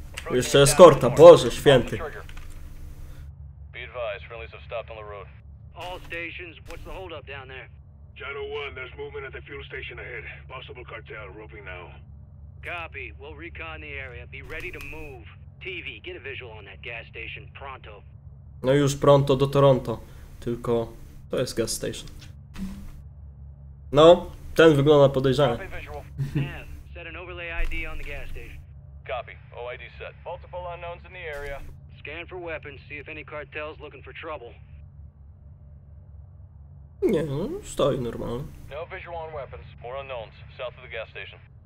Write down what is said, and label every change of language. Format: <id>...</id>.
<pl>Jeszcze eskorta, Boże święty!</pl> <en>Be advised, friendlies have stopped on the road. All stations, what's the holdup down there? Channel 1, there's movement at the fuel station ahead. Possible cartel roping now. Copy, we'll recon the area. Be ready to move. TV, get a visual on that gas station, pronto.</en> <pl>No już pronto do Toronto. Tylko, to jest gas station. No, ten wygląda podejrzanie.</pl> <en>Copy visual. Nav, set an overlay ID on the gas station. Copy, OID set. Multiple unknowns in the area. Scan for weapons, see if any cartel's looking for trouble.</en> <pl>Nie, no, stoi normalnie.</pl> <en>No visual on weapons, more unknowns, south of the gas station.</en>